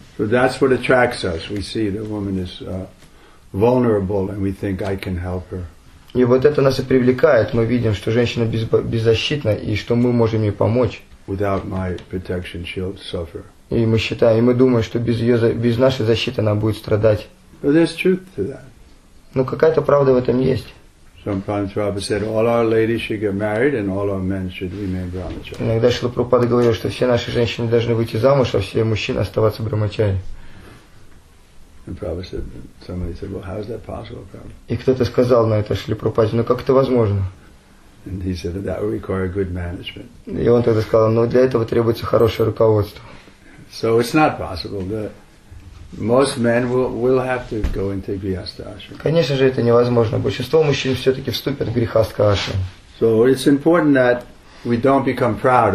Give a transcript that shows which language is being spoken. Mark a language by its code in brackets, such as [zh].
[en] So that's what attracts us. We see the woman is vulnerable, and we think I can help her. [ru] И вот это нас и привлекает. Мы видим, что женщина беззащитна, и что мы можем ей помочь. [en] Without my protection, she'll suffer. [ru] И мы считаем, и мы думаем, что без нашей защиты она будет страдать. [en] But there's truth to that. [ru] Но какая-то правда в этом есть. [en] Sometimes Prabhupada said, all our ladies should get married, and all our men should remain brahmachari. [ru] Иногда Шрила Прабхупада говорил, что все наши женщины должны выйти замуж, а все мужчины оставаться брахмачари. [en] And Prabhupada said, somebody said, well, how is that possible, Prabhupada? [ru] И кто-то сказал на это Шриле Прабхупаде, ну как это возможно? [en] And he said, that would require good management. [ru] И он тогда сказал, ну для этого требуется хорошее руководство. [en] So it's not possible. Most men will have to go into grihastha ashram. [ru] Конечно же, это невозможно. Большинство мужчин все-таки вступят в грихастха ашрам. [en] So it's important that we don't become proud.